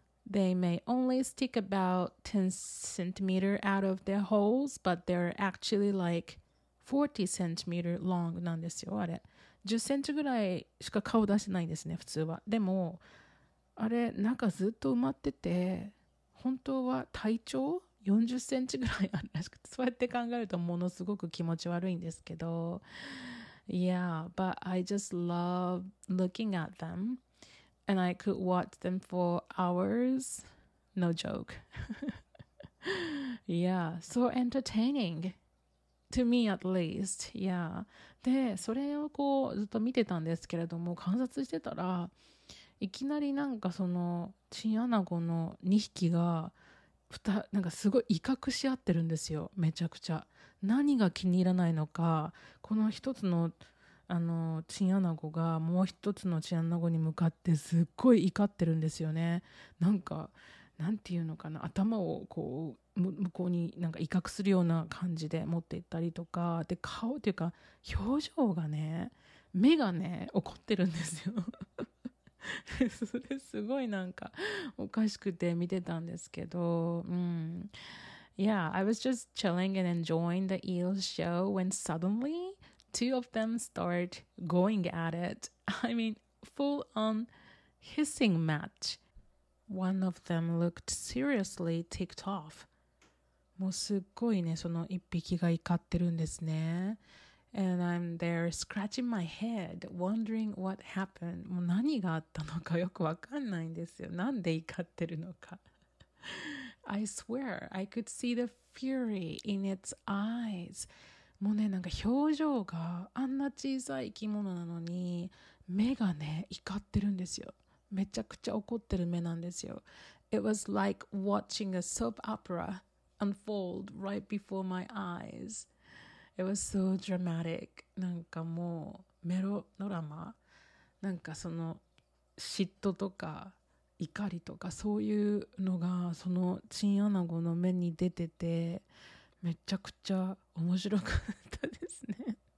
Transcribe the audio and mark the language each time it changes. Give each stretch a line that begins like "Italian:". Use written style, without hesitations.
English: They may only stick about 10 centimeter out of their holes, but they're actually like 40 centimeter long
Japanese: なんですよ。あれ10センチぐらいしか顔出してないんですね普通は。でもあれなんかずっと埋まってて本当は体長40センチぐらいあるらしくて、そうやって考えるとものすごく気持ち悪いんですけど、
English: Yeah, but I just love looking at them and I could watch them for hours, no joke. Yeah, so entertainingTo me at least, yeah.
Japanese: で、それをこうずっと見てたんですけれども、観察してたら、いきなりなんかそのチンアナゴの2匹が、なんかすごい威嚇し合ってるんですよ、めちゃくちゃ。何が気に入らないのか、この一つの、あのチンアナゴがもう一つのチンアナゴに向かってすっごい怒ってるんですよね。なんか、なんていうのかな、頭をこう、向こうになんか威嚇するような感じで持っていったりとか、で顔というか表情がね、目がね怒ってるんですよ。それすごいなんかおかしくて見てたんですけど、うん、
English: Yeah, I was just chilling and enjoying the eel show when suddenly two of them start going at it. I mean, full on hissing match. One of them looked seriously ticked off.
Japanese: もうすっごいねその一匹が怒ってるんですね。
English: And I'm there scratching my head wondering what happened.
Japanese: もう何があったのかよくわかんないんですよ、なんで怒ってるのか。
English: I swear I could see the fury in its eyes.
Japanese: もうね、なんか表情があんな小さい生き物なのに目がね、怒ってるんですよ。めちゃくちゃ怒ってる目なんですよ。
English: It was like watching a soap opera unfold right before my eyes. It was so dramatic.
Japanese: なんかもうメロドラマ、なんかその嫉妬とか怒りとかそういうのがそのチンアナゴの目に出てて、めちゃくちゃ面白かったですね。